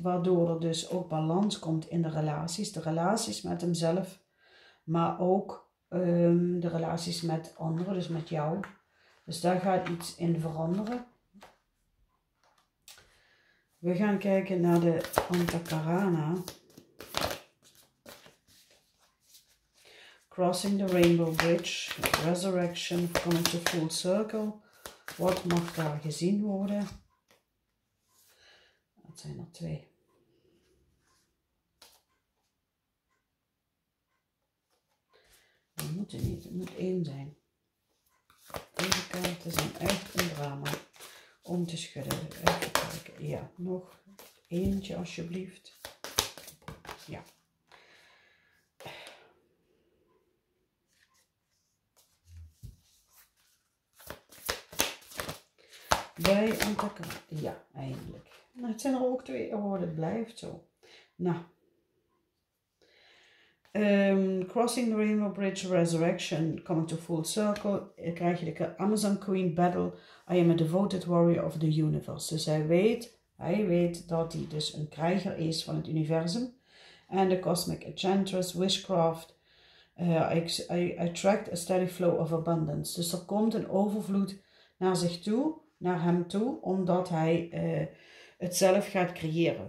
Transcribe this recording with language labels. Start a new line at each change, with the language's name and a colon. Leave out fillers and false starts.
Dutch: Waardoor er dus ook balans komt in de relaties. De relaties met hemzelf. Maar ook de relaties met anderen. Dus met jou. Dus daar gaat iets in veranderen. We gaan kijken naar de Antakarana.
English: Crossing the Rainbow Bridge, Resurrection, coming to full circle.
Dutch: Wat mag daar gezien worden? Dat zijn er twee. Dat moet er niet, het moet één zijn. Deze kaarten zijn echt een drama om te schudden. Even kijken. Ja, nog eentje alsjeblieft. Ja. Bij Antakar, ja, eindelijk. Nou, het zijn er ook twee, hoor, het blijft zo. Nou.
English: Crossing the Rainbow Bridge, Resurrection, coming to full circle.
Dutch: Dan krijg je de Amazon Queen Battle.
English: I am a devoted warrior of the universe.
Dutch: Dus hij weet dat hij dus een krijger is van het universum.
English: And the Cosmic Enchantress, Wishcraft. I attract a steady flow of abundance.
Dutch: Dus er komt een overvloed naar zich toe. Naar hem toe, omdat hij het zelf gaat creëren.